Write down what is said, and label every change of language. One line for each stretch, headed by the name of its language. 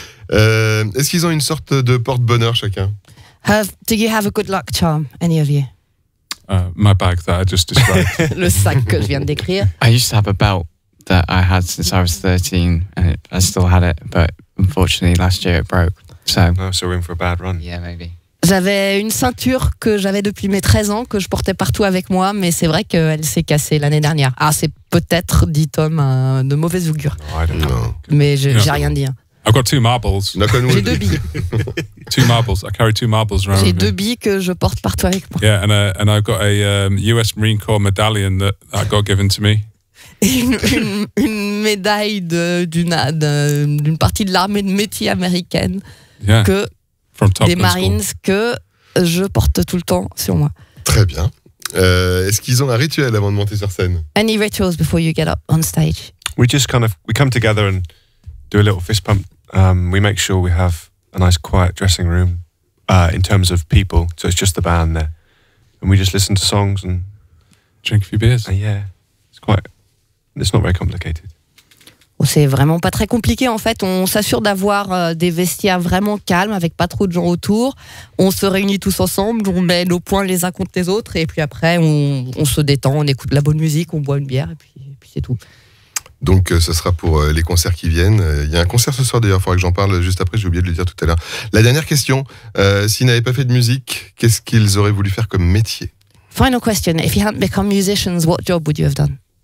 French: Est-ce qu'ils ont une sorte de porte-bonheur chacun?
English: Do you have a good luck charm, any of you? My bag that I just described.
French: Le sac que je viens de décrire.
English: I used to have a belt that I had since I was 13 and I still had it, but unfortunately last year it broke. So we're in for a bad run. Yeah, maybe.
French: J'avais une ceinture que j'avais depuis mes 13 ans que je portais partout avec moi, mais c'est vrai qu'elle s'est cassée l'année dernière. Ah, c'est peut-être, dit Tom, de mauvaise augure.
English: No, I don't know.
French: Mais j'ai rien dit.
English: I've got two marbles.
French: J'ai deux billes.
English: Two marbles. I carry two marbles around.
French: J'ai deux billes que je porte partout avec moi.
English: Yeah, and I've got a US Marine Corps medallion that got given to me.
French: Une médaille d'une partie de l'armée de métier américaine que des Marines que je porte tout le temps sur moi. Très bien. Est-ce qu'ils ont un rituel avant de monter sur scène?
English: Any rituals before you get up on stage? We just kind of we come together and do a little fist pump. We make sure we have a nice quiet dressing room in terms of people, so it's just the band there, and we just listen to songs and drink a few beers. Yeah, it's quite. It's not very complicated.
French: C'est vraiment pas très compliqué en fait. On s'assure d'avoir des vestiaires vraiment calmes, avec pas trop de gens autour. On se réunit tous ensemble, on met nos points les uns contre les autres, et puis après on se détend, on écoute de la bonne musique, on boit une bière, et puis c'est tout. Donc ce sera pour les concerts qui viennent. Il y a un concert ce soir d'ailleurs, il faudra que j'en parle juste après, j'ai oublié de le dire tout à l'heure. La dernière question, s'ils n'avaient pas fait de musique, qu'est-ce qu'ils auraient voulu faire comme métier?
English: Final question, if you hadn't become musicians, what job would you have done?